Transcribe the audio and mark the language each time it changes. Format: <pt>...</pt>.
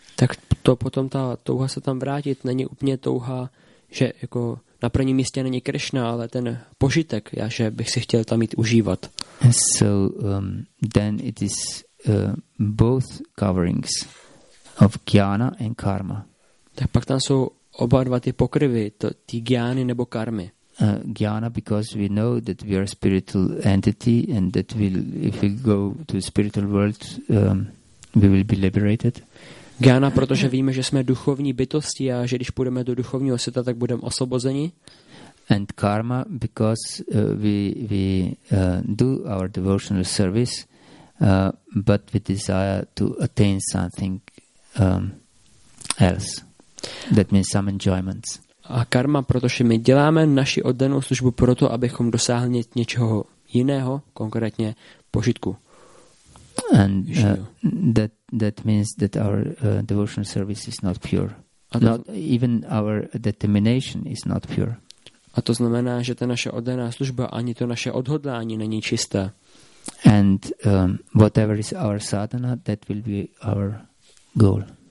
<cs>Tak to potom ta touha se tam vrátit není úplně touha, že jako na prvním místě není Krishna, ale ten požitek, já že bych si chtěl tam jít užívat.</cs> <en>So then it is both coverings of jnana and karma.</en> <cs>Tak pak tam jsou oba dva ty pokryvy, ty jnány nebo karmy.</cs> <en>Jnana, because we know that we are a spiritual entity and that we'll, if we go to the spiritual world, we will be liberated.</en> <cs>Gyána, protože víme, že jsme duchovní bytosti a že když půjdeme do duchovního světa, tak budeme osvobozeni.</cs> <en>And karma, because we do our devotional service, but we desire to attain something else. That means some enjoyments.</en> <cs>A karma, protože my děláme naši oddanou službu proto, abychom dosáhli něčeho jiného, konkrétně požitku.</cs> <en>And that means that our devotional service is not pure. Not even our determination is not pure.</en> <cs>A to znamená, že ta naše oddaná služba ani to naše odhodlání není čisté.</cs> <en>And whatever is our sadhana, that will be our goal.</en>